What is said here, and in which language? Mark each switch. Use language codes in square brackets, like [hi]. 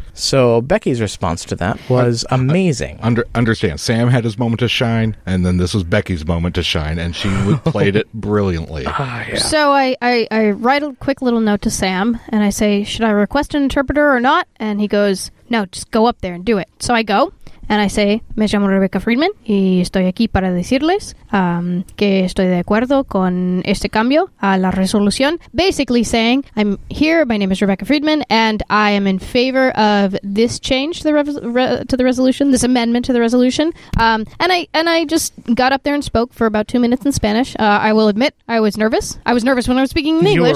[en] So Becky's response to that was amazing. Understand, Sam had his moment to shine, and then this was Becky's moment to shine, and she played it brilliantly. Yeah. So I write a quick little note to Sam, and I say, should I request an interpreter or not? And he goes, no, just go up there and do it. So I go. And I say, [es] me llamo Rebecca Friedman, y estoy aquí para decirles que estoy de acuerdo con este cambio a la resolución. [en] Basically saying, I'm here, my name is Rebecca Friedman, and I am in favor of this change to the resolution. And I just got up there and spoke for about 2 minutes in Spanish. I will admit, I was nervous. I was nervous when I was speaking in English.